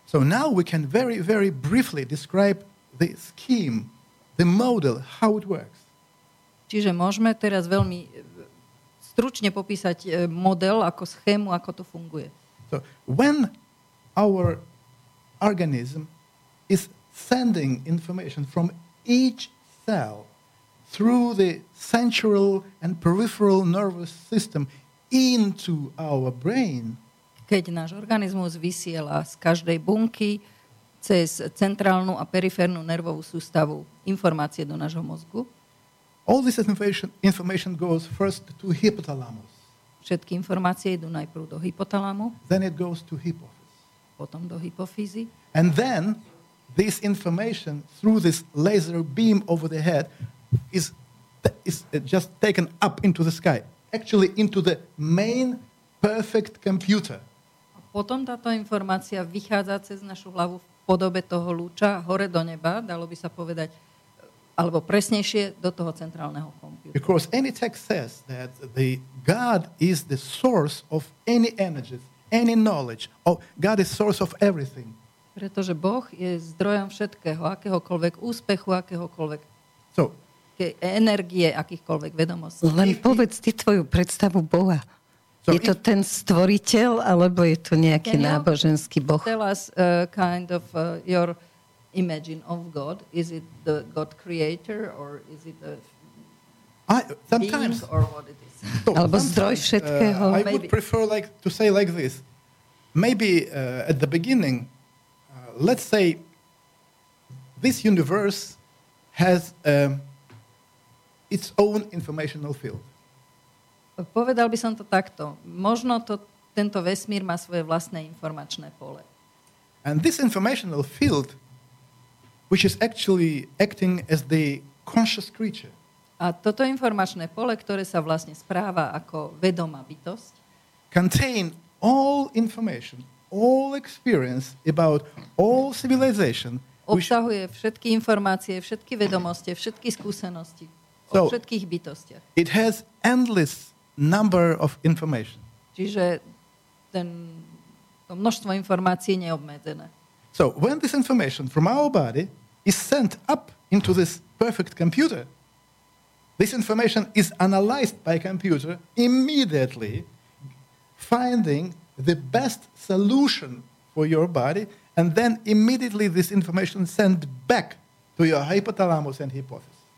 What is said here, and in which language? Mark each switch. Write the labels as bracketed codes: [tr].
[en] So now we can very, very briefly describe the scheme, the model, how it works. [sk] Čiže môžeme teraz veľmi stručne popísať model, ako schému, ako to funguje. [en] So, when our organism is sending information from each cell through the central and peripheral nervous system into our brain, [sk] keď náš organizmus vysiela z každej bunky cez centrálnu a periférnu nervovú sústavu informácie do nášho mozgu. [en] All this information goes first to hypothalamus. [sk] Všetky informácie idú najprv do hypotalamu. [en] Then it goes to hypophysis. [sk] Potom do hypofyzy. [en] And then this information through this laser beam over the head is just taken up into the sky. Actually into the main perfect computer. [sk] A potom táto informácia vychádza cez našu hlavu v podobe toho lúča hore do neba, dalo by sa povedať, alebo presnejšie do toho centrálneho komputera. [en] Because any text says that the God is the source of any energies, any knowledge. Oh, God is source of everything. [sk] Pretože Boh je zdrojom všetkého, akéhokoľvek úspechu, akéhokoľvek energie, akýchkoľvek vedomostí. Len povedz ty tvoju predstavu Boha. So je to ten stvoriteľ, alebo je to nejaký náboženský Boh? [en] Tell us kind of your imagine of God. Is it the God creator or is it a sometimes being or what it is? [sk] So alebo zdroj všetkého? [en] I would prefer like to say like this. Maybe at the beginning, let's say this universe has its own informational field. [sk] Povedal by som to takto. Možno to tento vesmír má svoje vlastné informačné pole. [en] And this informational field, which is actually acting as the conscious creature. [sk] A toto informačné pole, ktoré sa vlastne správa ako vedomá bytosť, [en] contain all information, all experience about all civilization. [sk] Obsahuje všetky informácie, všetky vedomosti, všetky skúsenosti o všetkých bytostiach. [en] It has endless number of information. [sk] Čiže to množstvo informácií je neobmedzené. [en] So when this information from our body is sent up into this perfect computer, this information is analyzed by computer immediately, finding the best solution for your body, and then immediately this information sent back to your hypothalamus and hypophysis.